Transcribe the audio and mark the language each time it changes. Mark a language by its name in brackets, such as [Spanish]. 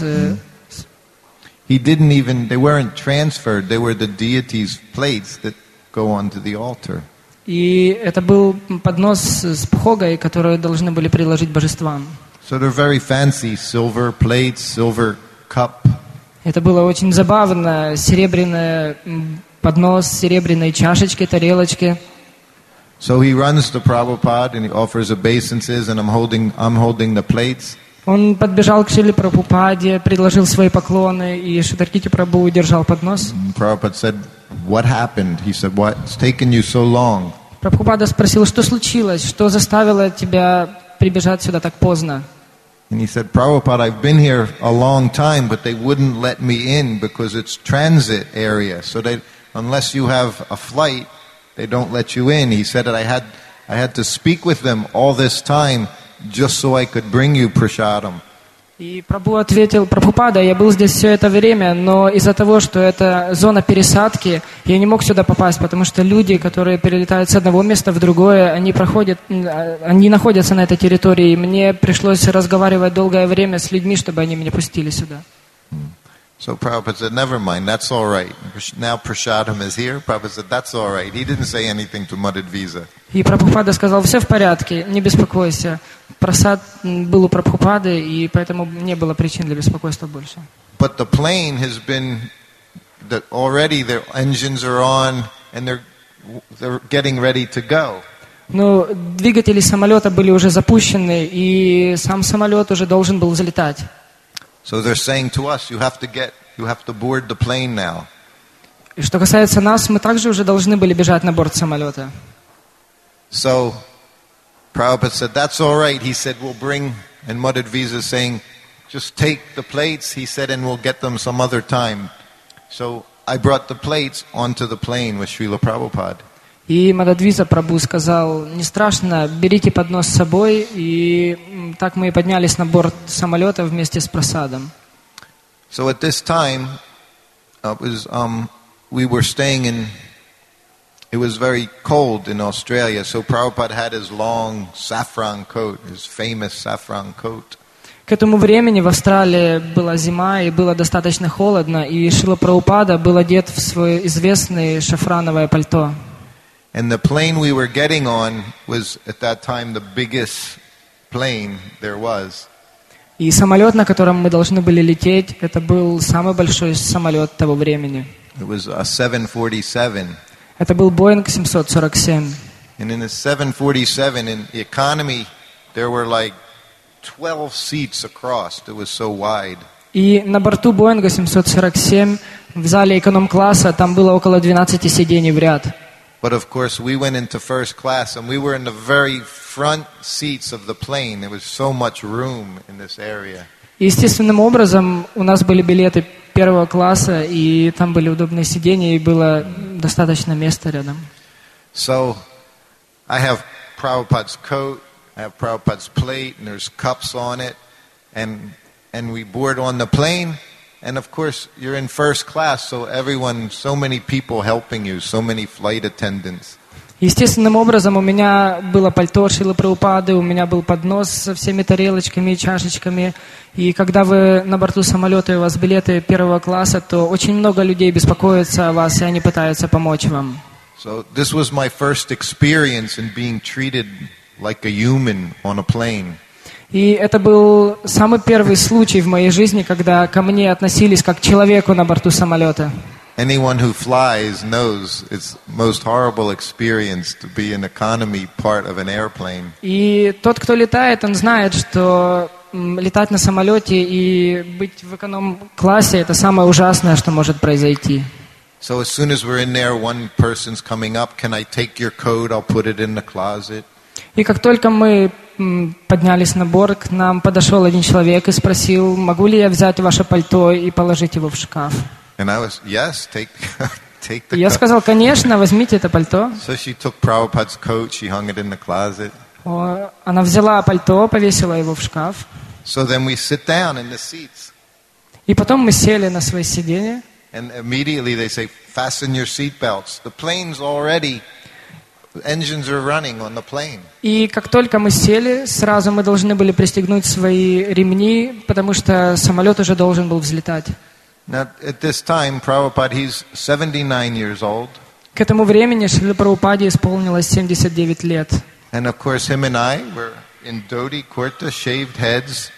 [English] He didn't even, they weren't transferred, they were the deity's plates that go onto the altar. [Russian] И это был поднос с пхогой, который должны были приложить божествам. [English] So they're very fancy, silver plates, silver cup. [Russian] Это было очень забавно, серебряный поднос, серебряные чашечки, тарелочки. [English] So he runs to Prabhupada and he offers obeisances, and I'm holding the plates. [Russian] Он подбежал к Шриле Прабхупаде, предложил свои поклоны, и Шридхар Прабху удержал поднос. [English] Prabhupada said, "What happened?" He said, "What? It's taken you so long." [Russian] Прабхупада спросил, что случилось, что заставило тебя прибежать сюда так поздно. [English] And he said, Prabhupada, I've been here a long time, but they wouldn't let me in because it's transit area. So they, unless you have a flight, they don't let you in. He said that I had to speak with them all this time just so I could bring you prasadam. [Russian] И Прабху ответил, Прабхупада, я был здесь все это время, но из-за того, что это зона пересадки, я не мог сюда попасть, потому что люди, которые перелетают с одного места в другое, они находятся на этой территории, и мне пришлось разговаривать долгое время с людьми, чтобы они меня пустили сюда. [English] So Prabhupada said, never mind, that's all right. Now prasadam is here. Prabhupada said, that's all right. He didn't say anything to Mudded Visa. [Russian] И Прабхупада сказал, все в порядке, не беспокойся. Прасад был у Прабхупады, и поэтому не было причин для беспокойства больше. [English] But the plane has been, already their engines are on, and they're getting ready to go. [Russian] Но двигатели самолета были уже запущены, и сам самолет уже должен был взлетать. [English] So they're saying to us, you have to board the plane now. [Russian] И что касается нас, мы также уже должны были бежать на борт самолета. [English] So Prabhupada said, that's all right. He said, we'll bring, and Mudded Visa saying, just take the plates, he said, and we'll get them some other time. So I brought the plates onto the plane with Srila Prabhupada. [Russian] И Mudded Visa Prabhu сказал, не страшно, берите поднос с собой, и так мы и поднялись на борт самолета вместе с прасадом. [English] So at this time, we were staying in, it was very cold in Australia, so Prabhupada had his long saffron coat, his famous saffron coat. [Russian] К этому времени в Австралии была зима, и было достаточно холодно, и Шрила Прабхупада был одет в свое известное шафрановое пальто. [English] And the plane we were getting on was at that time the biggest plane there was. [Russian] И самолет, на котором мы должны были лететь, это был самый большой самолет того времени. [English] It was a 747. [Russian] Это был Boeing 747. [English] And in a 747, in the economy, there were like 12 seats across. It was so wide. [Russian] И на борту Боинга 747 в зале эконом-класса там было около 12 сидений в ряд. [English] But of course, we went into first class, and we were in the very front seats of the plane. There was so much room in this area. [Russian] Естественным образом у нас были билеты первого класса, и там были удобные сиденья, и было достаточно места рядом. [English] So, I have Prabhupada's coat, I have Prabhupada's plate, and there's cups on it, and we board on the plane, and of course, you're in first class, so everyone, so many people helping you, so many flight attendants. [Russian] Естественным образом у меня было пальто Шрилы Прабхупады, у меня был поднос со всеми тарелочками и чашечками. И когда вы на борту самолета, у вас билеты первого класса, то очень много людей беспокоятся о вас, и они пытаются помочь вам. [English] So this was my first experience in being treated like a human on a plane. [Russian] И это был самый первый случай в моей жизни, когда ко мне относились как к человеку на борту самолета. [English] Anyone who flies knows it's most horrible experience to be an economy part of an airplane. [Russian] И тот, кто летает, он знает, что летать на самолете и быть в эконом-классе — это самое ужасное, что может произойти. [English] So as soon as we're in there, one person's coming up. Can I take your coat? I'll put it in the closet. [Russian] И как только мы поднялись на борт, к нам подошел один человек и спросил: могу ли я взять ваше пальто и положить его в шкаф? [English] And I was, yes, take the coat. [Russian] Я сказал: конечно, возьмите это пальто. [English] So she took Prabhupada's coat, she hung it in the closet. [Russian] Она взяла пальто, повесила его в шкаф. [English] So then we sit down in the seats. [Russian] И потом мы сели на свои сиденья. [English] And immediately they say, fasten your seat belts. The plane's already, engines are running on the plane. [Russian] И как только мы сели, сразу мы должны были пристегнуть свои ремни, потому что самолет уже должен был взлетать. [English] Now, at this time, Prabhupada, he's 79 years old. [Russian] К этому времени Шрила Прабхупаде исполнилось 79 лет. [English] And of course, him and I were in dhoti kurta, shaved heads.